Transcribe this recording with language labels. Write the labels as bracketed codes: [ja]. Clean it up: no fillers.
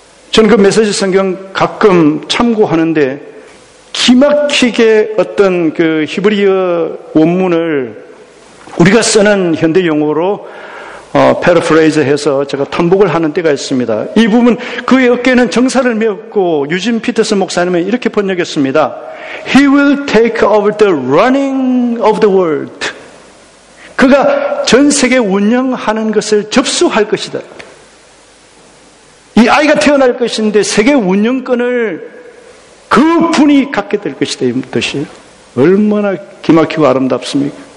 [ko] 저는 그 메시지 성경 가끔 참고하는데 기막히게 어떤 그 히브리어 원문을 우리가 쓰는 현대 용어로 패러프레이즈해서 제가 탐복을 하는 때가 있습니다. 이 부분 그의 어깨는 정사를 메었고 유진 피터슨 목사님은 이렇게 번역했습니다. [en] He will take over the running of the world. [ko] 그가 전 세계 운영하는 것을 접수할 것이다. 이 아이가 태어날 것인데 세계 운영권을 그분이 갖게 될 것이다. 이 뜻이 얼마나 기막히고 아름답습니까?